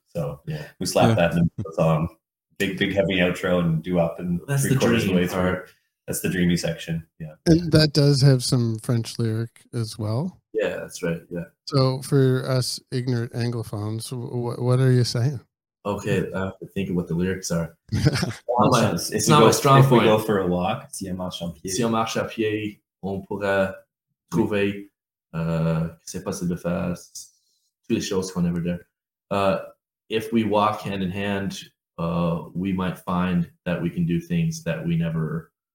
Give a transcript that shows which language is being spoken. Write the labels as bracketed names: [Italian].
[English] So we slapped that in the song. Big, big heavy outro and doo-wop and three-quarters of the way through. That's the dreamy section. Yeah. And that does have some French lyric as well. Yeah, that's right. Yeah. So for us ignorant Anglophones, what are you saying? Okay, think of what the lyrics are. it's not a strong if point. If we go for a walk, [French] si on marche à pied, on pourrait trouver. C'est possible de faire tous les choses qu'on a vu. [English] If we walk hand in hand, we might find that we can do things that we never.